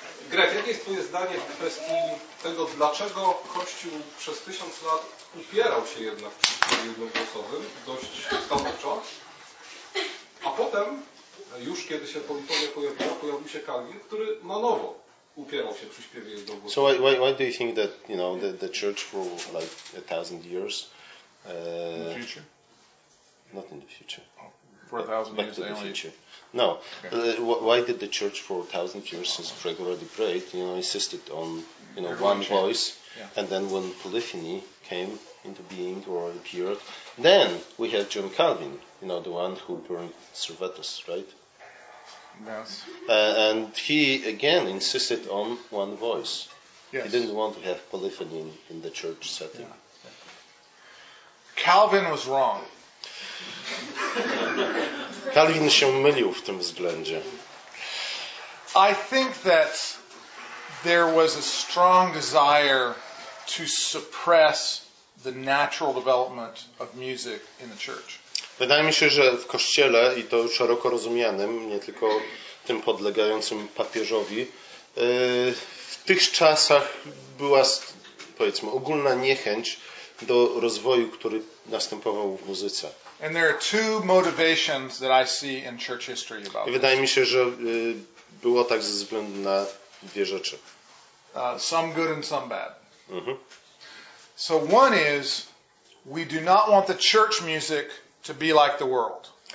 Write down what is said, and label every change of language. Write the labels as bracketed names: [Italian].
[Polish] Greg, jakie jest twoje zdanie w kwestii tego, dlaczego Kościół przez 1000 lat upierał się jednak w tym jednogłosowym, dość stanowczo, a potem, już kiedy się polifonia pojawiła, pojawił się Kalwin, który na nowo upierał się przy śpiewie jednogłosowym. [English] So why do you think that, you know, the church for like 1000 years... In the future? Not in the future. For 1000 years only. No, okay. Why did the church for 1000 years since Gregory the Great, you know, insisted on, you know, everyone one changed. Voice, yeah. And then when polyphony came into being or appeared, then we had John Calvin, you know, the one who burned Servetus, right? Yes. And he again insisted on one voice. Yes. He didn't want to have polyphony in the church setting. Yeah. Calvin was wrong. [Polish] Calvin się mylił w tym względzie. [English] I think that there was a strong desire to suppress the natural development of music in the church. [Polish] Wydaje mi się, że w kościele, i to szeroko rozumianym, nie tylko tym podlegającym papieżowi, w tych czasach była, powiedzmy, ogólna niechęć do rozwoju, który następował w muzyce. [English] And there are two motivations that I see in church history about this. [Polish] Wydaje mi się, że było tak ze względu na dwie rzeczy. [English] Some good and some bad. Mm-hmm. So one is, we do not want the church music to be like the world.